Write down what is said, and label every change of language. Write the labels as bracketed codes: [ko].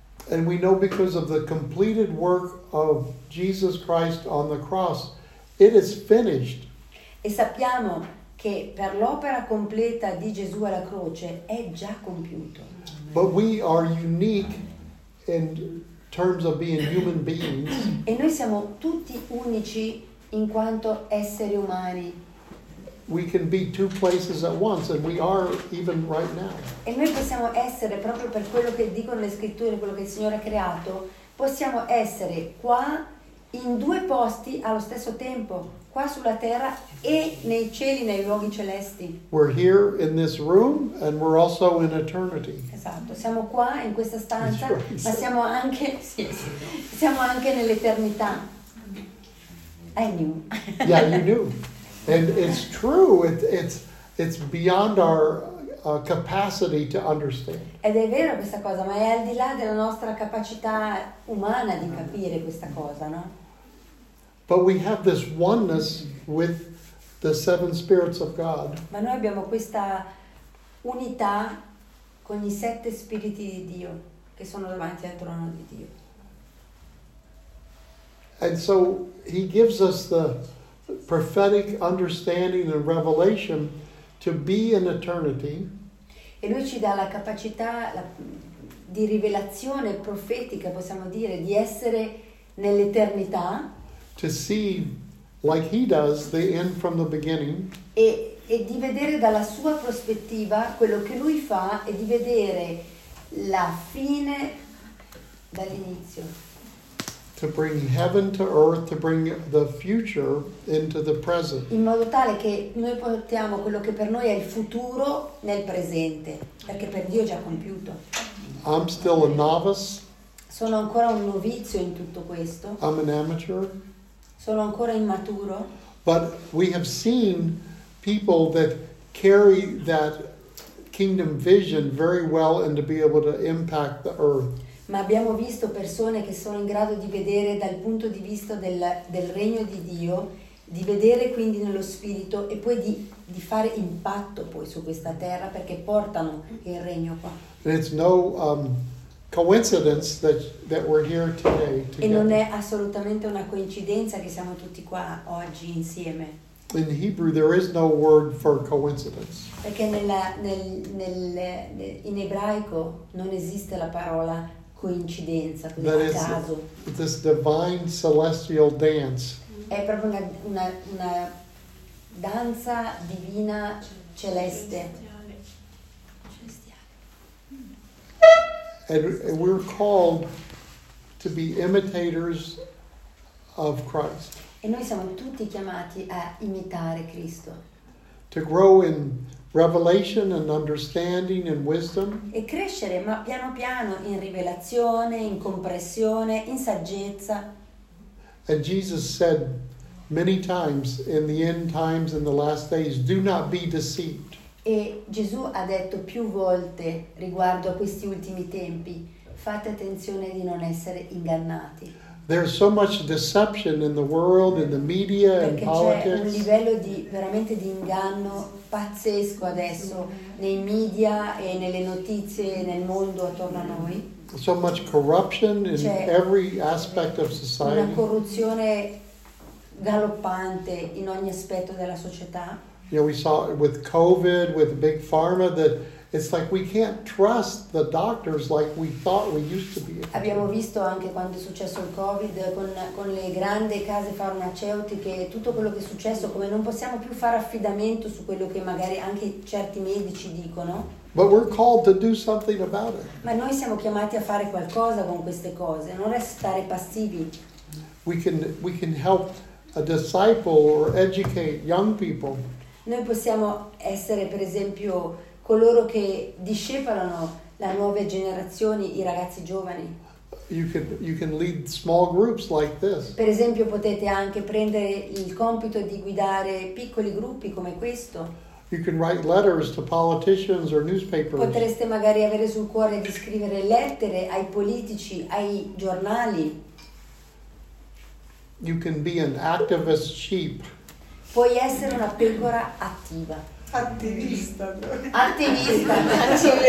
[en] And we know because of the completed work of Jesus Christ on the cross, it is finished. [it] E sappiamo che per l'opera completa di Gesù alla croce è già compiuto. [en] But we are unique in terms of being human beings. [it] E noi siamo tutti unici in quanto esseri umani. [en] We can be two places at once, and we are even right now. [it] E noi possiamo essere, proprio per quello che dicono le scritture, quello che il Signore ha creato, possiamo essere qua in due posti allo stesso tempo, qua sulla terra e nei cieli, nei luoghi celesti. [en] We're here in this room, and we're also in eternity. [it] Esatto, siamo qua in questa stanza, ma siamo anche, siamo anche nell'eternità. [en] I knew. Yeah, you knew. And it's true, it's beyond our capacity to understand. [it] Ed è vero questa cosa, ma è al di là della nostra capacità umana di capire questa cosa, no? [en] But we have this oneness with the seven spirits of God. [it] Ma noi abbiamo questa unità con i sette spiriti di Dio che sono davanti al trono di Dio. [en] And so he gives us the prophetic understanding and revelation to be in eternity. [it] E lui ci dà la capacità di rivelazione profetica, possiamo dire, di essere nell'eternità. [en] To see like he does the end from the beginning. [it] E di vedere dalla sua prospettiva quello che lui fa e di vedere la fine dall'inizio. [en] To bring heaven to earth, to bring the future into the present. [it] In modo tale che noi portiamo quello che per noi è il futuro nel presente, perché per Dio è già compiuto. [en] I'm still a novice. [it] Sono ancora un novizio in tutto questo. [en] I'm an amateur. [it] Sono ancora immaturo. [en] But we have seen people that carry that kingdom vision very well and to be able to impact the earth. [it] Ma abbiamo visto persone che sono in grado di vedere dal punto di vista del regno di Dio, di vedere quindi nello spirito e poi di fare impatto poi su questa terra perché portano il regno qua. [en] It's no coincidence that we're here today. [it] E non è assolutamente una coincidenza che siamo tutti qua oggi insieme. [en] In Hebrew there is no word for coincidence. [it] Perché in ebraico non esiste la parola coincidenza, quindi a caso. [en] This divine celestial dance. [it] È proprio una danza divina celeste. [en] And we're called to be imitators of Christ. [it] E noi siamo tutti chiamati a imitare Cristo. [en] To grow in revelation and understanding and wisdom. [it] E crescere, ma piano piano, in rivelazione, in comprensione, in saggezza. [en] And Jesus said many times in the end times, in the last days, do not be deceived. [it] E Gesù ha detto più volte riguardo a questi ultimi tempi, fate attenzione di non essere ingannati. [en] There's so much deception in the world, in the media, in politics. [it] Perché c'è un livello veramente di inganno pazzesco adesso nei media e nelle notizie nel mondo attorno a noi. [en] So much corruption in every aspect of society. [it] Una corruzione galoppante in ogni aspetto della società. [en] You know, we saw it with COVID, with Big Pharma, that It's like we can't trust the doctors like we thought we used to be. [it] Abbiamo visto anche quando è successo il Covid con le grandi case farmaceutiche, tutto quello che è successo, come non possiamo più fare affidamento su quello che magari anche certi medici dicono. [en] But we're called to do something about it. [it] Ma noi siamo chiamati a fare qualcosa con queste cose, non restare passivi. [en] We can help a disciple or educate young people. [it] Noi possiamo essere, per esempio, coloro che discepolano la nuove generazioni, i ragazzi giovani. [en] You can lead small groups like this. [it] Per esempio, potete anche prendere il compito di guidare piccoli gruppi come questo. [en] You can write letters to politicians or newspapers. [it] Potreste magari avere sul cuore di scrivere lettere ai politici, ai giornali. [en] You can be an activist sheep. [it] Puoi essere una pecora attiva. Attivista. Cioè,